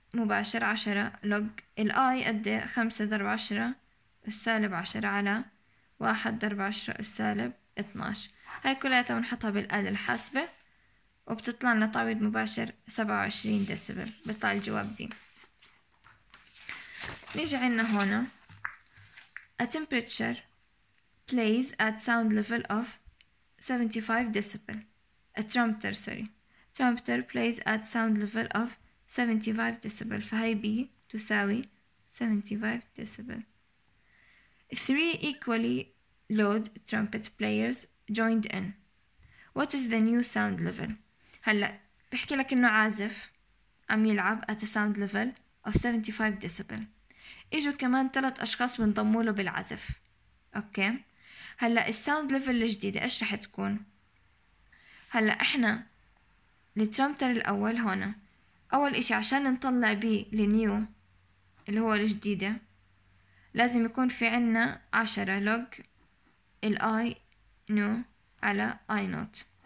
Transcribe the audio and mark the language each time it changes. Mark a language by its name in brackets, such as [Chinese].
[Arabic] مباشر 10 log الآي قد 5 ضرب 10 السالب 10 على 1 ضرب 10 السالب 12. هاي كلها بنحطها بالآلة الحاسبة وبتطلع لنا تعويض مباشر 27 ديسيبل، بيطلع الجواب دي. نيجي عنا هنا [English] A temperature plays at sound level of 75 decibel. A trumpeter plays at sound level of 75 decibel. [Arabic] فهي B تساوي 75 decibel. [English] Three equally loud trumpet players joined in. What is the new sound level? [Arabic] هلأ بحكي لك إنه عازف عم يلعب [English] at a sound level of 75 decibel. [Arabic] إجوا كمان ثلاث أشخاص بنضموا له بالعزف. أوكي؟ هلأ الساوند ليفل الجديدة إيش رح تكون؟ هلأ إحنا الترامتر الأول هنا أول إشي عشان نطلع بيه لنيو اللي هو الجديدة لازم يكون في عنا 10 لوج الآي نو على آي نوت.